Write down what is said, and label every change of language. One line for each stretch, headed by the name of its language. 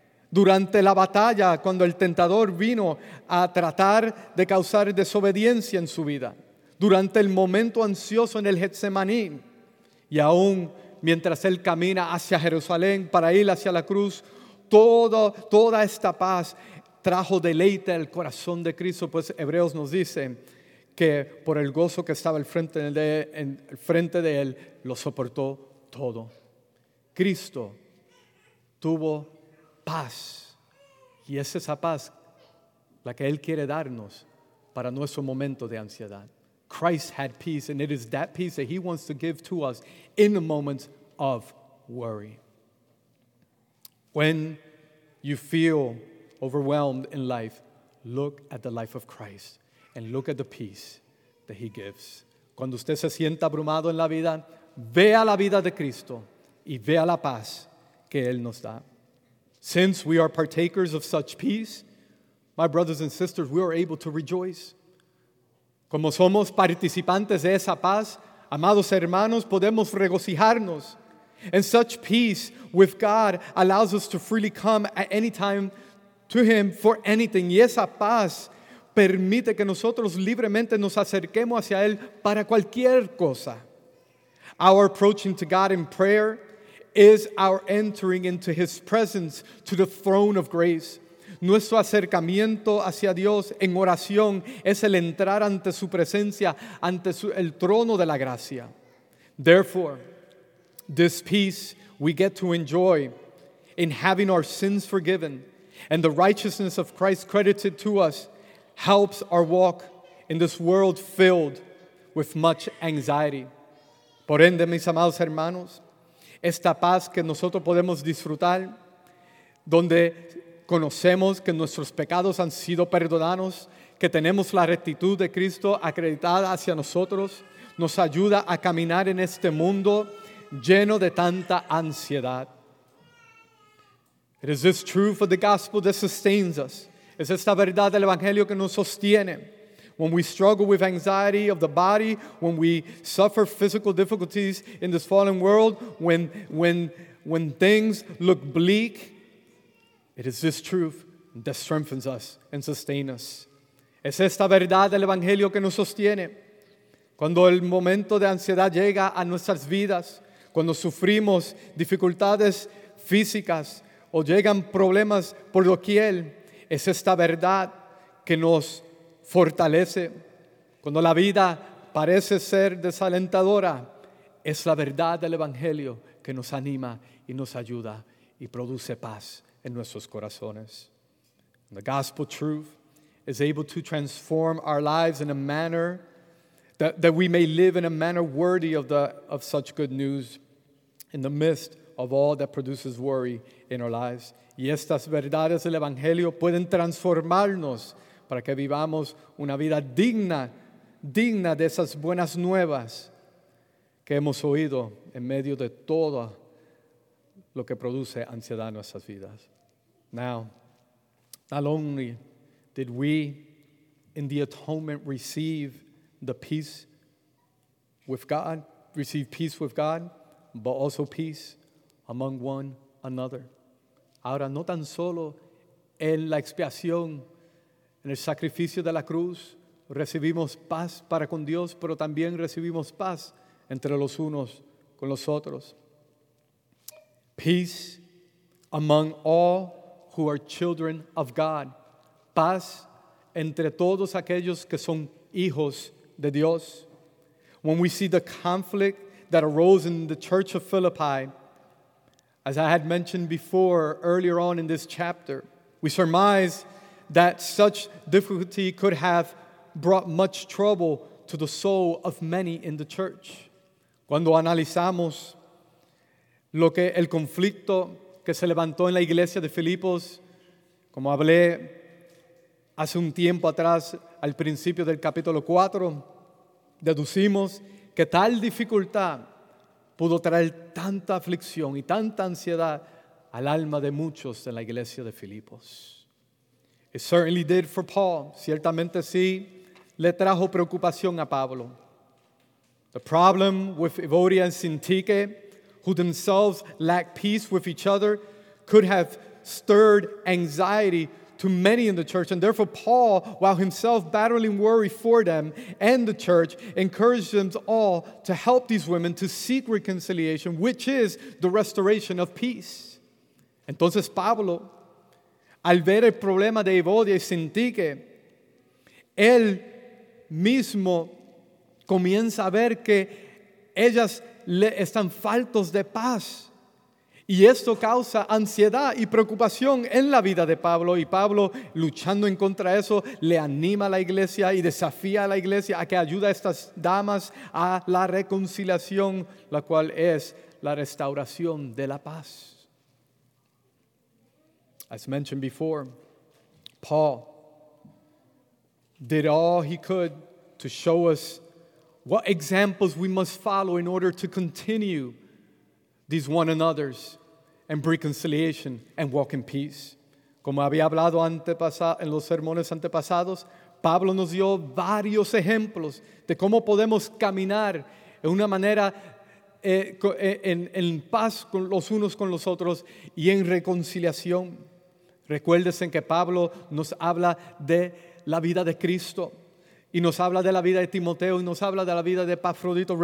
Spanish: Durante la batalla, cuando el tentador vino a tratar de causar desobediencia en su vida, durante el momento ansioso en el Getsemaní, y aún mientras él camina hacia Jerusalén para ir hacia la cruz, toda esta paz trajo deleite al corazón de Cristo, pues Hebreos nos dice que por el gozo que estaba al frente de él, lo soportó todo. Cristo tuvo paz, y es esa paz la que él quiere darnos para nuestro momento de ansiedad.
English: Christ had peace, and it is that peace that he wants to give to us in the moments of worry. When you feel overwhelmed in life, look at the life of Christ and look at the peace that he gives.
Spanish: Cuando usted se sienta abrumado en la vida, vea la vida de Cristo y vea la paz que él nos da.
English: Since we are partakers of such peace, my brothers and sisters, we are able to rejoice.
Spanish: Como somos participantes de esa paz, amados hermanos, podemos regocijarnos.
English: And such peace with God allows us to freely come at any time to him for anything.
Spanish: Y esa paz permite que nosotros libremente nos acerquemos hacia él para cualquier cosa.
English: Our approaching to God in prayer is our entering into his presence to the throne of grace.
Spanish: Nuestro acercamiento hacia Dios en oración es el entrar ante su presencia, ante el trono de la gracia.
English: Therefore, this peace we get to enjoy in having our sins forgiven and the righteousness of Christ credited to us helps our walk in this world filled with much anxiety.
Spanish: Por ende, mis amados hermanos, esta paz que nosotros podemos disfrutar, donde conocemos que nuestros pecados han sido perdonados, que tenemos la rectitud de Cristo acreditada hacia nosotros, nos ayuda a caminar en este mundo lleno de tanta ansiedad.
English: It is this truth of the gospel that sustains us.
Spanish: Es esta verdad del Evangelio que nos sostiene.
English: When we struggle with anxiety of the body, when we suffer physical difficulties in this fallen world, when things look bleak, it is this truth that strengthens us and sustains us.
Spanish: Es esta verdad del Evangelio que nos sostiene. Cuando el momento de ansiedad llega a nuestras vidas, cuando sufrimos dificultades físicas o llegan problemas por doquier, es esta verdad que nos fortalece. Cuando la vida parece ser desalentadora, es la verdad del Evangelio que nos anima y nos ayuda y produce paz en nuestros corazones.
English: The gospel truth is able to transform our lives in a manner that we may live in a manner worthy of such good news in the midst of all that produces worry in our lives.
Spanish: Y estas verdades del Evangelio pueden transformarnos para que vivamos una vida digna de esas buenas nuevas que hemos oído en medio de todo lo que produce ansiedad en nuestras vidas.
English: Now, not only did we in the atonement receive the peace with God, but also peace among one another.
Spanish: Ahora, no tan solo en la expiación, en el sacrificio de la cruz, recibimos paz para con Dios, pero también recibimos paz entre los unos con los otros.
English: Peace among all who are children of God.
Spanish: Paz entre todos aquellos que son hijos de Dios.
English: When we see the conflict that arose in the church of Philippi, As I had mentioned before, earlier on in this chapter, we surmise that such difficulty could have brought much trouble to the soul of many in the church.
Spanish: Cuando analizamos lo que el conflicto que se levantó en la iglesia de Filipos, como hablé hace un tiempo atrás, al principio del capítulo 4, deducimos que tal dificultad pudo traer tanta aflicción y tanta ansiedad al alma de muchos en la iglesia de Filipos.
English: It certainly did for Paul.
Spanish: Ciertamente sí, le trajo preocupación a Pablo.
English: The problem with Evodia and Syntyche, who themselves lacked peace with each other, could have stirred anxiety to many in the church, and therefore Paul, while himself battling worry for them and the church, encouraged them all to help these women to seek reconciliation, which is the restoration of peace.
Spanish: Entonces Pablo, al ver el problema de Evodia y Syntyche, él mismo comienza a ver que ellas le están faltos de paz. Y esto causa ansiedad y preocupación en la vida de Pablo. Y Pablo, luchando en contra de eso, le anima a la iglesia y desafía a la iglesia a que ayude a estas damas a la reconciliación, la cual es la restauración de la paz.
English: As mentioned before, Paul did all he could to show us what examples we must follow in order to continue these one another's and reconciliation and walk in peace.
Spanish: Como había hablado en los sermones antepasados, Pablo nos dio varios ejemplos de cómo podemos caminar en una manera en paz con los unos con los otros y en reconciliación. Recuérdense que Pablo nos habla de la vida de Cristo y nos habla de la vida de Timoteo y nos habla de la vida de Epafrodito.